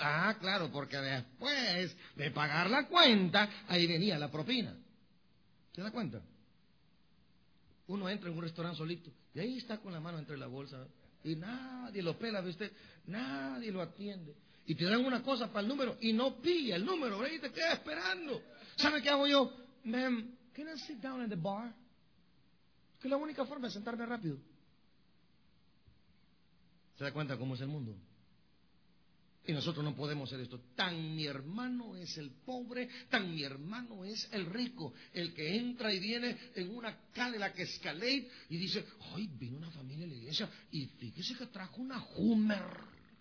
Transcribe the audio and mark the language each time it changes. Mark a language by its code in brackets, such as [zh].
[es] Ah, claro, porque después de pagar la cuenta, ahí venía la propina. ¿Se da cuenta? Uno entra en un restaurante solito y ahí está con la mano entre la bolsa y nadie lo pela, ¿ve usted? Nadie lo atiende. Y te dan una cosa para el número y no pilla el número, ¿ve? Y te queda esperando. ¿Sabe qué hago yo? [en] Ma'am, can I sit down in the bar? [es] Que es la única forma de sentarme rápido. ¿Se da cuenta cómo es el mundo? Y nosotros no podemos hacer esto. Tan mi hermano es el pobre, tan mi hermano es el rico, el que entra y viene en una Cadillac Escalade y dice, ay, vino una familia a la iglesia y fíjese que trajo una Hummer.